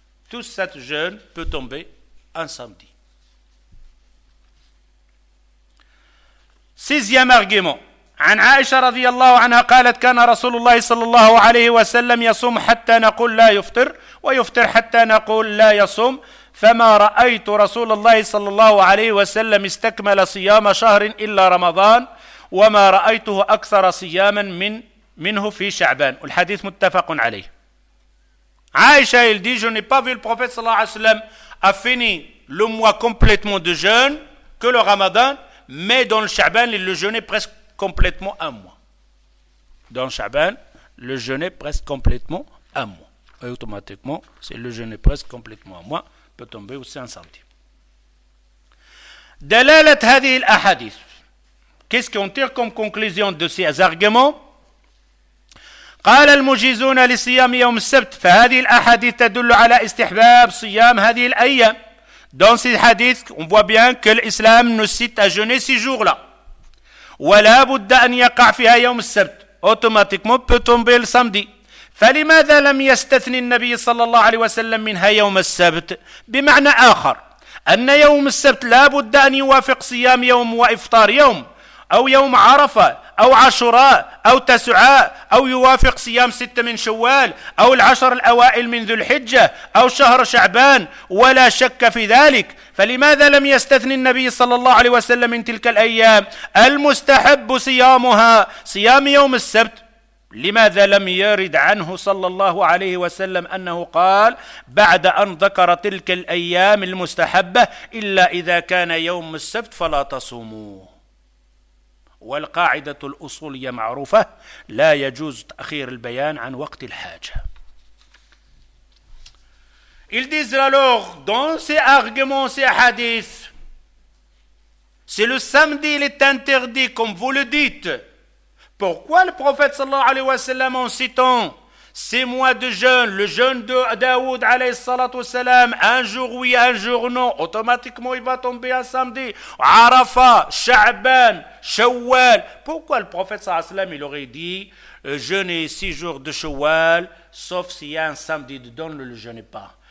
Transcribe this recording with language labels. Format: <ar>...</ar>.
<fr>Tout cet jeûne peut tomber un samedi. Sixième argument.</fr> <ar>عن عائشة رضي الله عنها قالت كان رسول الله صلى الله عليه وسلم يصوم حتى نقول لا يفطر ويفطر حتى نقول لا يصوم فما رأيت رسول الله صلى الله عليه وسلم استكمل صيام شهر إلا رمضان وما رأيته أكثر صياما منه في شعبان. والحديث متفق عليه.</ar> <fr>عائشة il dit je n'ai pas vu le prophète صلى الله عليه وسلم a fini le mois complètement de jeûne que le ramadan mais dans le شعبان il le jeûnait presque complètement un mois. Dans le شعبان le jeûnait presque complètement un mois. Et automatiquement c'est le jeûnait presque complètement un mois peut tomber aussi un samedi.</fr> <ar>دلالة هذه الأحاديث.</ar> <fr>Qu'est-ce qu'on tire comme conclusion de ces arguments?</fr> <ar>قال المجيزون لصيام يوم السبت فهذه الأحاديث تدل على استحباب صيام هذه الأيام.</ar> <fr>Dans ces hadiths, on voit bien que l'islam nous cite à jeûner ces jours-là.</fr> <ar>ولا بد أن يقع فيها يوم السبت.</ar> <fr>Automatiquement, peut tomber le samedi.</fr> <ar>فلماذا لم يستثني النبي صلى الله عليه وسلم منها يوم السبت؟ بمعنى آخر. أن يوم السبت لا بد أن يوافق صيام يوم وإفطار يوم أو يوم عرفة أو عاشوراء أو تسعاء أو يوافق صيام ستة من شوال أو العشر الأوائل من ذو الحجة أو شهر شعبان، ولا شك في ذلك. فلماذا لم يستثني النبي صلى الله عليه وسلم من تلك الأيام المستحب صيامها صيام يوم السبت؟ لماذا لم يرد عنه صلى الله عليه وسلم أنه قال بعد أن ذكر تلك الأيام المستحبة إلا إذا كان يوم السبت فلا تصوموه؟ والقاعدة الأصولية معروفة، لا يجوز تأخير البيان عن وقت الحاجة.</ar> <fr>Ils disent alors dans ces arguments, ces hadiths, si le samedi il est interdit comme vous le dites, pourquoi le prophète sallallahu alayhi wa sallam, en citant ces mois de jeûne, le jeûne de Daoud alayhi salatu wasalam, un jour oui, un jour non, automatiquement il va tomber un samedi, Arafa, Sha'ban, Shawwal, pourquoi le prophète sallallahu alayhi wa sallam, il aurait dit jeûner six jours de Shawwal, sauf s'il y a un samedi dedans, ne le jeûnez pas.</fr>